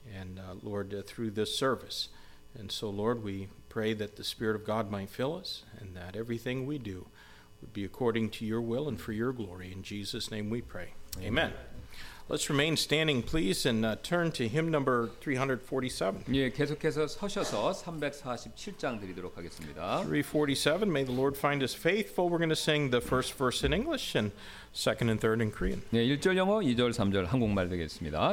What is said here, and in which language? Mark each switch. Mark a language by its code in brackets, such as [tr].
[en] And Lord, through this service. And so, Lord, we pray that the Spirit of God might fill us, and that everything we do would be according to your will and for your glory. In Jesus' name we pray. Amen. Amen. Let's remain standing, please, and turn to hymn number 347. [ko] 예, 계속해서 서셔서 347장 드리도록 하겠습니다. [en] 347, may the Lord find us faithful. We're going to sing the first verse in English and second and third in Korean. [ko] 예, 1절 영어, 2절, 3절 한국말 되겠습니다.